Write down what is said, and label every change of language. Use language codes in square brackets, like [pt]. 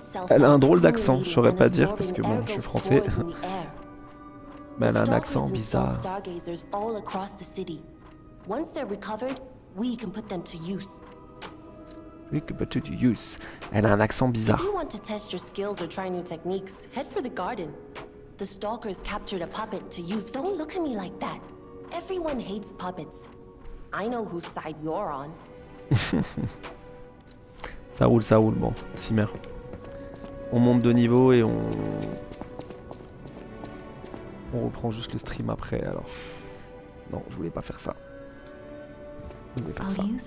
[fr] Elle a un drôle d'accent, je saurais pas dire, parce que bon, je suis français. mais elle a un accent bizarre. [en] Stargazers all across the city. Once they're recovered, we can put them to use. We can put them to use. [fr] Elle a un accent bizarre. [en] If you want to test your skills or try new techniques, head for the garden. The stalkers captured a puppet to use. Don't look at me like that. Everyone hates puppets. I know whose side you're on. [fr] ça roule, bon, Cimer. On monte de niveau et on reprend juste le stream après, alors. Non, je voulais pas faire ça. Je voulais faire ça.